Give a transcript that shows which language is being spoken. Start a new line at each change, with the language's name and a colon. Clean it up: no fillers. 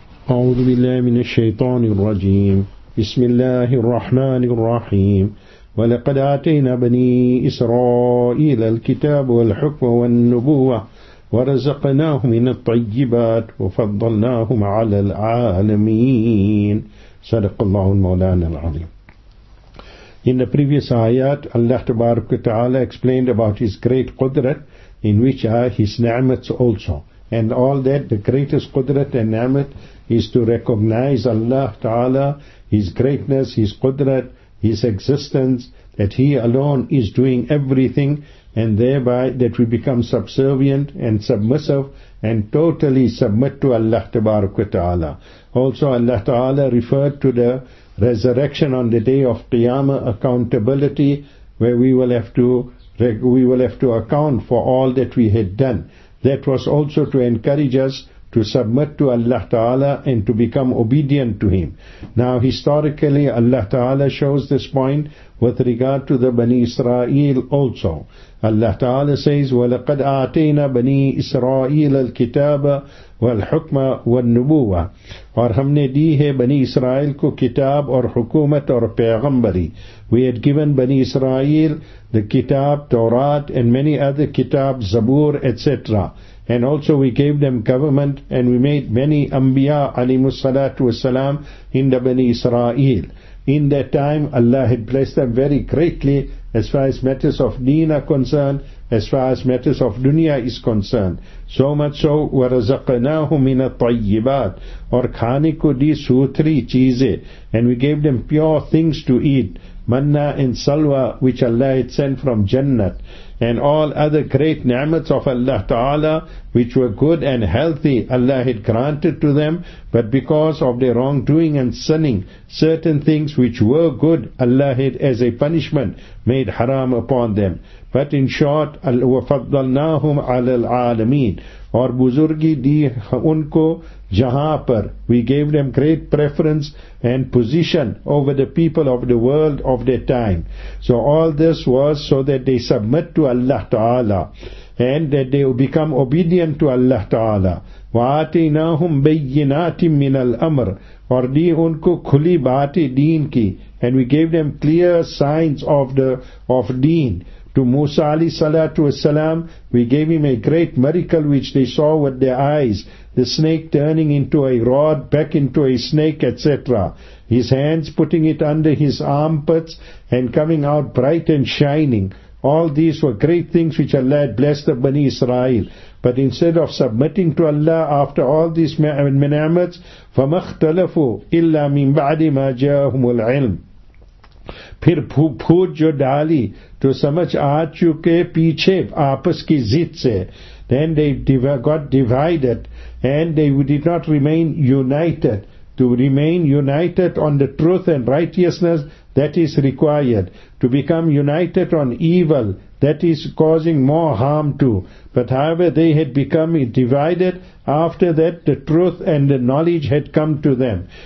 Arabic: أعوذ بالله من الشيطان الرجيم بسم الله الرحمن الرحيم ولقد آتينا بني إسرائيل الكتاب والحكم والنبوة ورزقناهم من الطيبات وفضلناهم على العالمين صدق الله المولانا العظيم.
English: In the previous ayat, Allah tabarak wa ta'ala explained about His great qudrat, in which are His ni'mats also. And all that, the greatest qudrat and ni'mat is to recognize Allah ta'ala, His greatness, His qudrat, His existence, that He alone is doing everything, and thereby that we become subservient and submissive and totally submit to Allah tabarak wa ta'ala. Also Allah ta'ala referred to the resurrection on the day of Qiyamah, accountability, where we will have to account for all that we had done. That was also to encourage us to submit to Allah Ta'ala and to become obedient to Him. Now historically Allah Ta'ala shows this point with regard to the Bani Israel also. Allah Ta'ala says,
Arabic: وَلَقَدْ آتَيْنَا بَنِي إِسْرَائِيلَ الْكِتَابَ وَالْحُكْمَ وَالنُّبُوَةَ.
Urdu: اور ہم نے دی ہے بنی اسرائیل کو کتاب اور حکومت اور پیغمبری.
English: We had given Bani Israel the kitab, Torah, and many other kitab, Zabur, etc. And also we gave them government, and we made many Anbiya alayhi salatu wasalam in the Bani Israel. In that time Allah had blessed them very greatly as far as matters of deen are concerned, as far as matters of dunya is concerned. So much so,
Arabic: وَرَزَقْنَاهُ مِنَ الطَّيِّبَاتِ
Urdu: اور کھانے کو دی سوتری چیزیں.
English: And we gave them pure things to eat, manna and salwa, which Allah had sent from Jannat, and all other great ni'mats of Allah Ta'ala, which were good and healthy, Allah had granted to them, but because of their wrongdoing and sinning, certain things which were good, Allah had, as a punishment, made haram upon them. But in short,
Arabic: وَفَضَّلْنَاهُمْ عَلَى الْعَالَمِينَ
Urdu: اور بزرگی دی ان کو جہاں پر.
English: We gave them great preference and position over the people of the world of their time. So all this was so that they submit to Allah Ta'ala and that they become obedient to Allah Ta'ala.
Arabic: وَآتِنَاهُمْ بَيِّنَاتٍ مِّنَ الْأَمْرِ
Urdu: اور دی ان کو کھلی باتیں دین کی.
English: And we gave them clear signs of deen. To Musa alayhi salatu wasalam, we gave him a great miracle which they saw with their eyes. The snake turning into a rod, back into a snake, etc. His hands putting it under his armpits and coming out bright and shining. All these were great things which Allah had blessed the Bani Israel. But instead of submitting to Allah after all these ni'mats,
Arabic: فَمَخْتَلَفُوا إِلَّا مِنْ بَعْدِ مَا جَاهُمُ الْعِلْمِ
Urdu: پھر پھوٹ جو ڈالی تو سمجھ آ چکے پیچھے آپس کی زد سے.
English: Then they got divided and they did not remain united. To remain united on the truth and righteousness, that is required. To become united on evil, that is causing more harm to. But however, they had become divided, after that the truth and the knowledge had come to them.